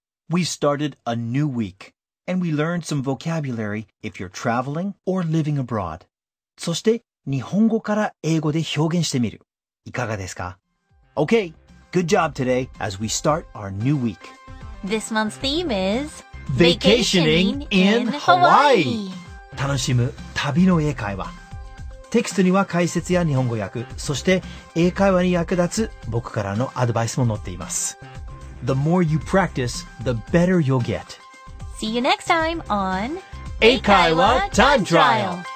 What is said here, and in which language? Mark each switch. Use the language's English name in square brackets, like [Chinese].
[English] We started a new week, and we learned some vocabulary if you're traveling or living abroad. [Japanese] そして、日本語から英語で表現してみる。いかがですか？ [English] Okay, good job today as we start our new week. This month's theme is Vacationing in Hawaii. [Japanese] 楽しむ旅の英会話。テキストには解説や日本語訳、そして英会話に役立つ僕からのアドバイスも載っています。 [English] The more you practice, the better you'll get. See you next time on [Japanese] 英会話 Time Trial.